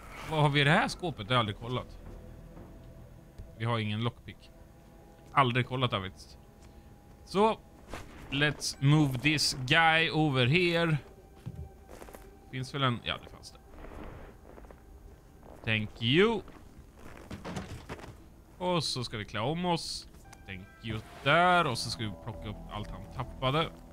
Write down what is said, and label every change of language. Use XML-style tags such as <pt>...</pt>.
<sv>Vad har vi i det här skåpet? Det har jag aldrig kollat. Vi har ingen lockpick. Aldrig kollat av det.</sv> <en>Så, let's move this guy over here.</en> <sv>Finns väl en? Ja, det fanns det.</sv> <en>Thank you.</en> <sv>Och så ska vi klä om oss.</sv> <en>Thank you</en> <sv>där. Och så ska vi plocka upp allt han tappade.</sv>